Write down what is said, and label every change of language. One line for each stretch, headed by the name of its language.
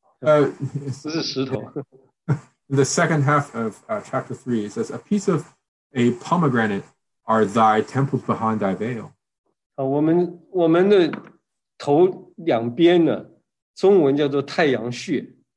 Chinese: 那么接下来，他讲你的两太阳在帕子内如同一块石头，石榴，pomegranate，石榴，对不起，不是石头。
English: The second half of chapter 3 it says, a piece of a pomegranate are thy temples behind thy veil.
Chinese: 我们的头两边呢，中文叫做太阳穴。